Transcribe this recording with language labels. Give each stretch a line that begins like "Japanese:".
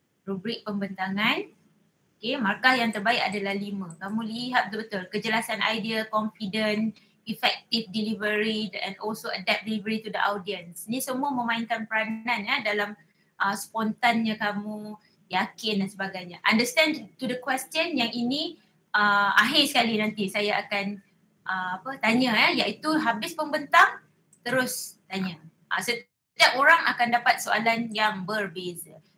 Malay: Rubrik pembentangan. Okay, markah yang terbaik adalah 5. Kamu lihat betul-betul. Kejelasan idea,
English: confident, effective delivery and also adapt delivery to the audience.
Malay: Ni semua memainkan peranan ya, dalam spontannya kamu yakin dan sebagainya.
English: Understand to the question
Malay: yang ini akhir sekali nanti saya akan tanya ya, iaitu habis pembentang terus tanya. Setiap orang akan dapat soalan yang berbeza.